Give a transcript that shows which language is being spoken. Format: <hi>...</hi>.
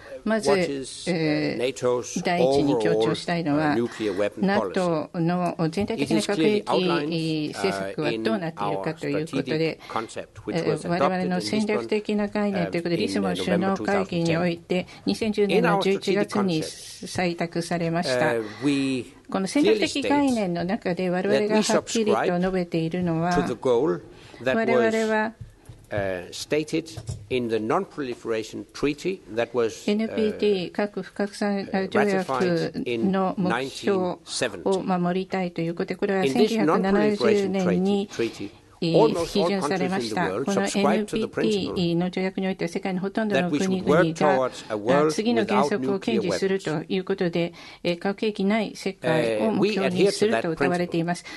<ja>まず第一に強調したいのは NATO の全体的な核兵器政策はどうなっているかということで、我々の戦略的な概念ということでリスボン首脳会議において2010年の11月に採択されました。この戦略的概念の中で我々がはっきりと述べているのは、我々は</ja> <en>stated in the non-proliferation treaty that was</en> <ja>NPT 核不拡散条約の目標を守りたいということで、これは1970年に批准されました。この NPT の条約においては世界のほとんどの国々が次の原則を堅持するということで、核兵器ない世界を目標にすると謳われています。</ja>